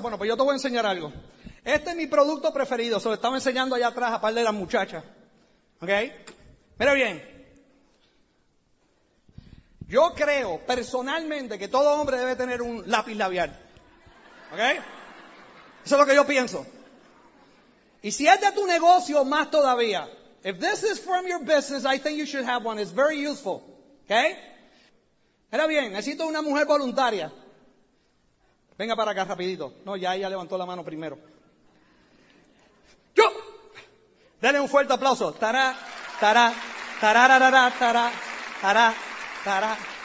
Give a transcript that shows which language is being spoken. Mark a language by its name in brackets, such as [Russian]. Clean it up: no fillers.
[Spanish] Bueno, pues yo te voy a enseñar algo. Este es mi producto preferido. Se lo estaba enseñando allá atrás a par de las muchachas. ¿Ok? Mira bien. Yo creo personalmente que todo hombre debe tener un lápiz labial. ¿Ok? Eso es lo que yo pienso. Y si es de tu negocio, más todavía. [English] If this is from your business, I think you should have one. It's very useful. [Spanish] ¿Ok? Era bien, necesito una mujer voluntaria. Venga para acá rapidito. No, ya ella levantó la mano primero. ¡Yo! Denle un fuerte aplauso. Tará, tará, tará, tará, tará, tará, tará.